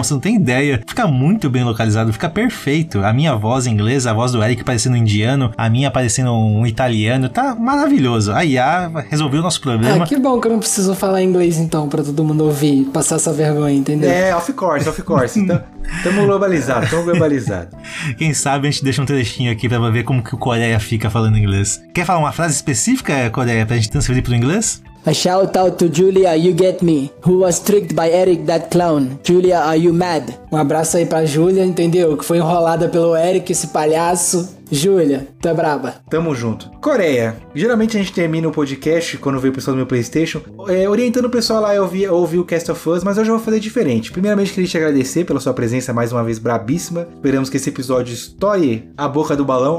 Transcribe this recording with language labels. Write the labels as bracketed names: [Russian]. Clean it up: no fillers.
[Portuguese] Você não tem ideia, fica muito bem localizado, fica perfeito, a minha voz em inglês, a voz do Eric parecendo indiano, a minha parecendo um italiano, tá maravilhoso, a IA resolveu o nosso problema. Ah, que bom que eu não preciso falar inglês então, para todo mundo ouvir, passar essa vergonha, entendeu? É, [English] off course, [Portuguese] então... Tamo globalizado. Quem sabe a gente deixa um trechinho aqui pra ver como que o Coreia fica falando inglês. Quer falar uma frase específica, Coreia, pra gente transferir pro inglês? [English] A shout out to Julia, you get me, who was tricked by Eric, that clown. Julia, are you mad? [Portuguese] Um abraço aí pra Julia, entendeu? Que foi enrolada pelo Eric, esse palhaço. Júlia, tá braba. Tamo junto. Coreia, geralmente a gente termina o podcast, quando vem o pessoal do meu PlayStation, orientando o pessoal lá a ouvir o Cast of Us, mas hoje eu vou fazer diferente. Primeiramente, queria te agradecer pela sua presença mais uma vez brabíssima. Esperamos que esse episódio estoure a boca do balão.